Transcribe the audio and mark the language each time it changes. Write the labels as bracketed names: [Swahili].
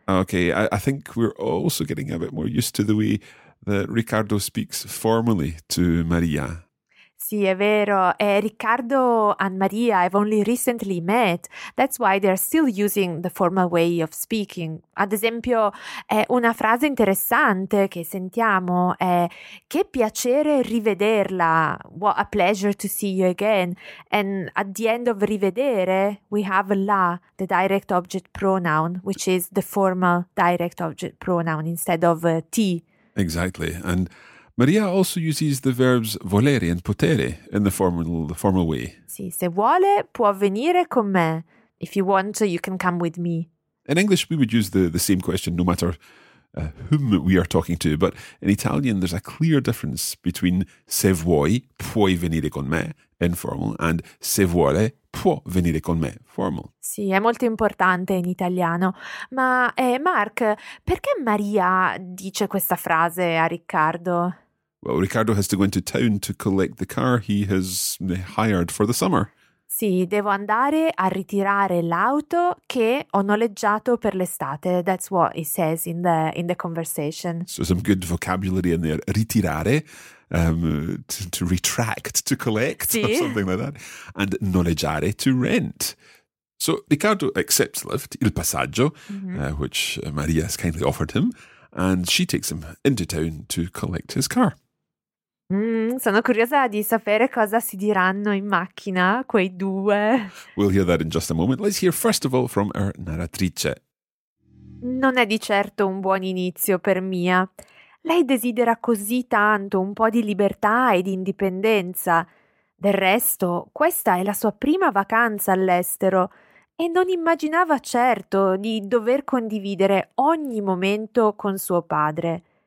[English] Okay, I think we're also getting a bit more used to the way that Riccardo speaks formally to Maria. [Italian] Sì, è vero. [English] Riccardo and Maria have only recently met. That's why they're still using the formal way of speaking. [Italian] Ad esempio, una frase interessante che sentiamo è che piacere rivederla. [English] What a pleasure to see you again. And at the end of rivedere, we have la, the direct object pronoun, which is the formal direct object pronoun instead of ti. Exactly. And Maria also uses the verbs volere and potere in the formal way. [Italian] Sì, se vuole può venire con me. [English] If you want, you can come with me. In English, we would use the same question no matter whom we are talking to. But in Italian, there's a clear difference between [Italian] se vuoi, puoi venire con me, [English] informal, and [Italian] se vuole, può venire con me, [English] formal. [Italian] Sì, è molto importante in italiano. Ma Mark, perché Maria dice questa frase a Riccardo? [English] Well, Riccardo has to go into town to collect the car he has hired for the summer. [Italian] Sì, devo andare a ritirare l'auto che ho noleggiato per l'estate. [English] That's what he says in the conversation. So some good vocabulary in there. Ritirare, to retract, to collect, [Italian] sì. [English] or something like that. And noleggiare, to rent. So Riccardo accepts Lyft, il passaggio, mm-hmm. Which Maria has kindly offered him. And she takes him into town to collect his car. [Italian] Sono curiosa di sapere cosa si diranno in macchina quei due. [English] We'll hear that in just a moment. Let's hear first of all from our narratrice. [Italian] Non è di certo un buon inizio per Mia. Lei desidera così tanto un po' di libertà e di indipendenza. Del resto, questa è la sua prima vacanza all'estero e non immaginava certo di dover condividere ogni momento con suo padre.